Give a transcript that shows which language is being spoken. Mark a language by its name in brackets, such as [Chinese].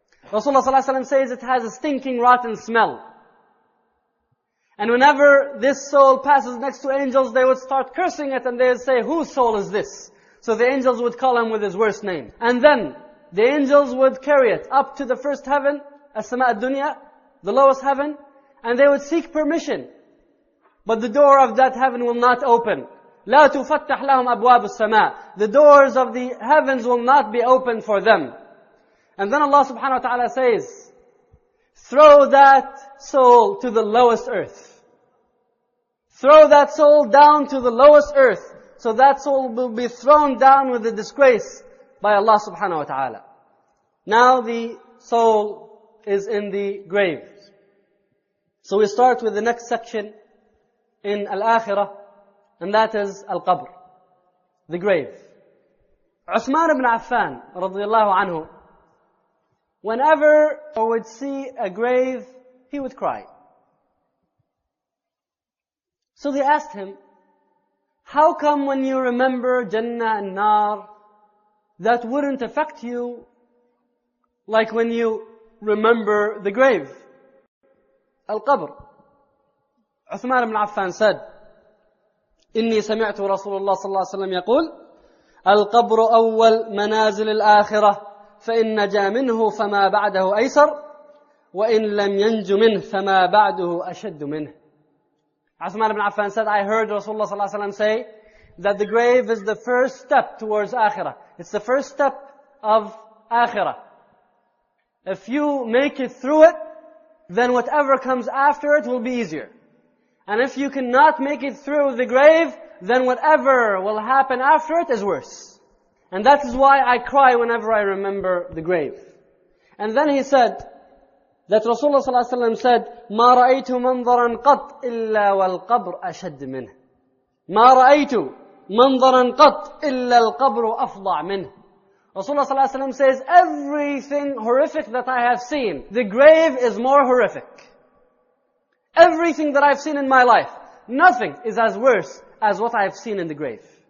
[English] Rasulullah sallallahu alayhi wa sallam says it has a stinking, rotten smell. And whenever this soul passes next to angels, they would start cursing it and they would say, whose soul is this? So the angels would call him with his worst name. And then the angels would carry it up to the first heaven, As-Sama' al-Dunya, the lowest heaven, and they would seek permission. But the door of that heaven will not open. [Arabic] لا تُفَتَّحْ لَهُمْ أَبْوَابُ السَّمَاءِ. [English] The doors of the heavens will not be opened for them. And then Allah subhanahu wa ta'ala says, throw that soul to the lowest earth. Throw that soul down to the lowest earth. So that soul will be thrown down with the disgrace by Allah subhanahu wa ta'ala. Now the soul is in the grave. So we start with the next section in Al-Akhirah, and that is Al-Qabr, the grave. Uthman ibn Affan, radiallahu anhu, whenever he would see a grave, he would cry. So they asked him, how come when you remember Jannah and Nar, that wouldn't affect you like when you remember the grave? [Arabic] القبر. عثمان بن عفان said, إني سمعت رسول الله صلى الله عليه وسلم يقول, القبر أول منازل الآخرة, فإن نجا منه فما بعده أيسر, وإن لم ينج منه فما بعده أشد منه. [English] عثمان بن عفان said, I heard Rasulullah صلى الله عليه وسلم say that the grave is the first step towards Akhirah. It's the first step of Akhirah. If you make it through it, then whatever comes after it will be easier. And if you cannot make it through the grave, then whatever will happen after it is worse. And that is why I cry whenever I remember the grave. And then he said that Rasulullah [Arabic] صلى الله عليه وسلم said, مَا رَأَيْتُ مَنْظَرًا قَطْ إِلَّا وَالْقَبْرُ أَشَدِّ مِنْهِ. مَا رَأَيْتُ مَنْظَرًا قَطْ إِلَّا الْقَبْرُ أَفْضَعْ مِنْهِ. [English] Rasulullah صلى الله عليه وسلم says, everything horrific that I have seen, the grave is more horrific. Everything that I've seen in my life, nothing is as worse as what I've seen in the grave.